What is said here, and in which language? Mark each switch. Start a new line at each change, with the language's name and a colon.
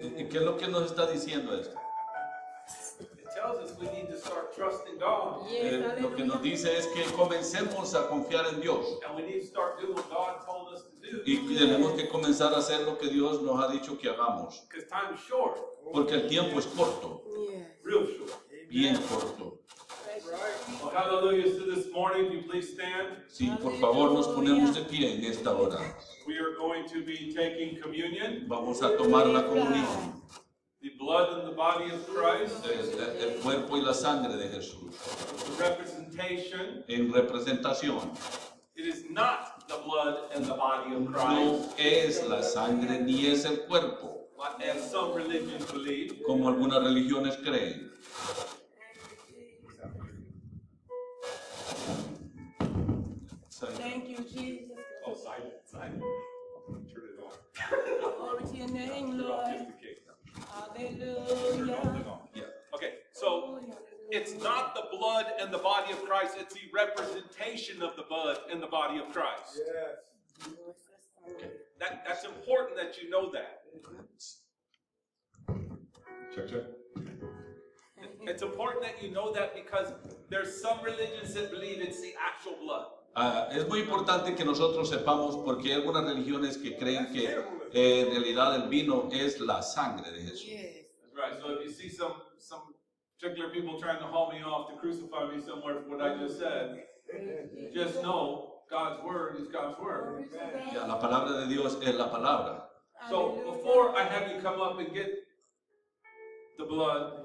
Spanish: ¿Qué es lo que nos está diciendo esto?
English: It tells us we need to start trusting God.
Spanish: Lo que nos dice es que comencemos a confiar en Dios.
English: And we need to start doing what God told us.
Spanish: Y tenemos que comenzar a hacer lo que Dios nos ha dicho que hagamos. Porque el tiempo es corto.
English: Real short.
Spanish: Bien corto.
English: Well, hallelujah to this morning. You please stand.
Spanish: Sí, por favor, nos ponemos de pie en esta hora.
English: We are going to be taking communion.
Spanish: Vamos a tomar la comunión.
English: The blood and the body of Christ.
Spanish: El cuerpo y la sangre de Jesús.
English: The representation.
Spanish: En representación.
English: It is not the blood and the body of Christ.
Spanish: No es la sangre ni es el cuerpo.
English: But as some religions believe.
Spanish: Como algunas religiones creen.
English: Thank you, Jesus. Oh, silent. Turn it on. Glory to your name, Lord. Hallelujah. Okay, so. It's not the blood and the body of Christ. It's the representation of the blood and the body of Christ. Yes. Okay. That's important that you know that. Check, check. It's important that you know that because there's some religions that believe it's the actual blood.
Spanish: Es muy importante que nosotros sepamos porque hay algunas religiones que creen que en realidad el vino es la sangre de Jesús.
English: Right. So if you see some particular people trying to haul me off to crucify me somewhere for what I just said. Just know God's word is God's word.
Spanish: Yeah, la palabra de Dios es la palabra.
English: So before I have you come up and get the blood,